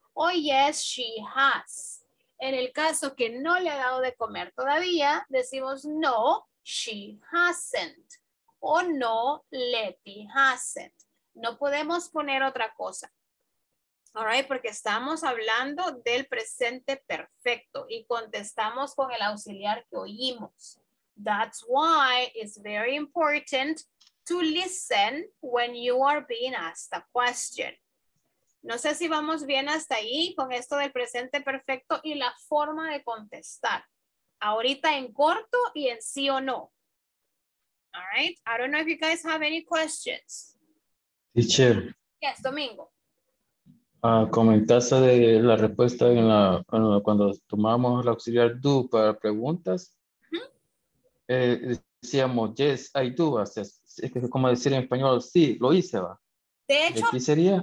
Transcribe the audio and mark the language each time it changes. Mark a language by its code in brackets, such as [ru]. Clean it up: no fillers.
[en] O yes, she has. [es] En el caso que no le ha dado de comer todavía, decimos, [en] no, she hasn't. O no, Letty hasn't. [es] No podemos poner otra cosa. [en] All right, [es] porque estamos hablando del presente perfecto y contestamos con el auxiliar que oímos. [en] That's why it's very important to listen when you are being asked a question. [es] No sé si vamos bien hasta ahí con esto del presente perfecto y la forma de contestar. Ahorita en corto y en sí o no. [en] All right. I don't know if you guys have any questions. Teacher. Yes, Domingo. [es] Comentaste de la respuesta en la, cuando tomamos el auxiliar do para preguntas. Uh-huh. Decíamos, [en] yes, I do. [es] O sea, es como decir en español, sí, lo hice, va. De hecho, aquí sería.